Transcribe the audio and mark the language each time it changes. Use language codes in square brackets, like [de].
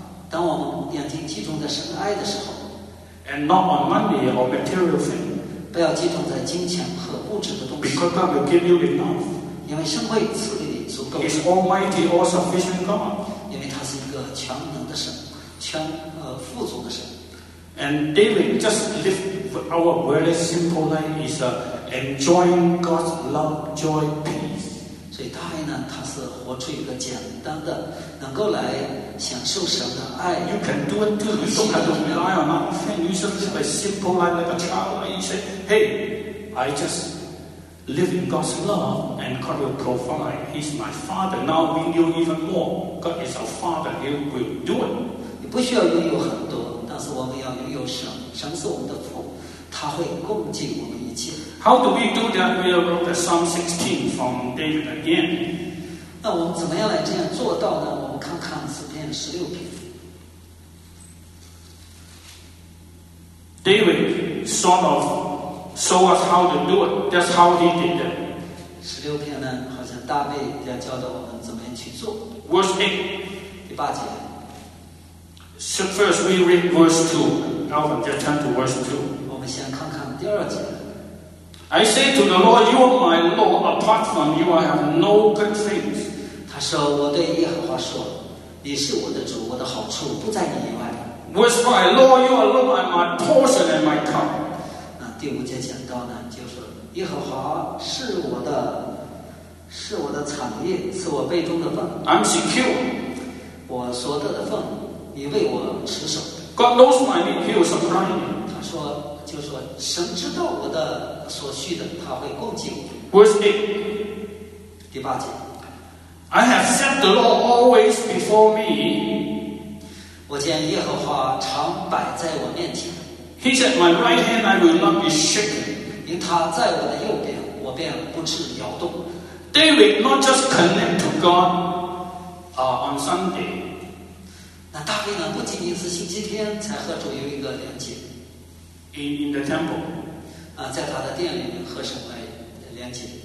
[zh] 当我们眼睛集中在神的爱的时候。 [en] And not on money or material things. [zh] 不要集中在金钱和物质的东西。 [en] Because God will give you enough. [zh] 因为神会赐给你足够。 [en] He's Almighty, all sufficient God. [zh] 因为他是一个全能的神，全富足的神。 [en] And David, just live our very simple life is enjoying God's love, joy, peace. [zh] 所以大卫呢，他是活出一个简单的，能够来享受神的爱。 [en] You can do it too. You don't have to rely on anything. You should live a simple life like a child. You say, "Hey, I just live in God's love, and God will provide. He's my Father. Now we know even more. God is our Father. He will do it." [zh] 你不需要拥有很多。但是我们要拥有神，神是我们的父，他会供给我们一切。 [en] How do we do that? We wrote the Psalm 16 from David again. [zh] 那我们怎么样来这样做到呢？我们看看诗篇十六篇。 [en] David sort of show us how to do it. That's how he did it. [zh] 十六篇呢，好像大卫要教导我们怎么样去做。 [en] Verse 8, [zh] 第八节。 [en] So first we read verse 2. Now we just turn to verse 2. [zh] 我们先看看第二节。 [en] I say to the Lord, you are my Lord. Apart from you, I have no good things. [zh] 他说我对耶和华说，你是我的主，我的好处不在你以外。 [en] Verse 5, Lord, you are Lord, I'm my portion and my cup. [zh] 那第五节讲到呢，就是耶和华是我的，是我的产业，是我杯中的份。 [en] I'm secure. [zh] 我所得的份你为我持守。 [en] God knows my need. He will supply me. [zh] 他说，就说神知道我的所需的，他会供给我。 [en] Verse 8. [zh] 第八节。 [en] I have set the law always before me. [zh] 我见耶和华常摆在我面前。 [en] He's at my right hand, I will not be shaken. [zh] 因他在我的右边，我便不致摇动。 [en] David not just connect to God, on Sunday. [zh] 那大卫呢？不仅仅是星期天才和主有一个连接。 [en] In the temple， [zh] 啊，在他的殿里和神来连接。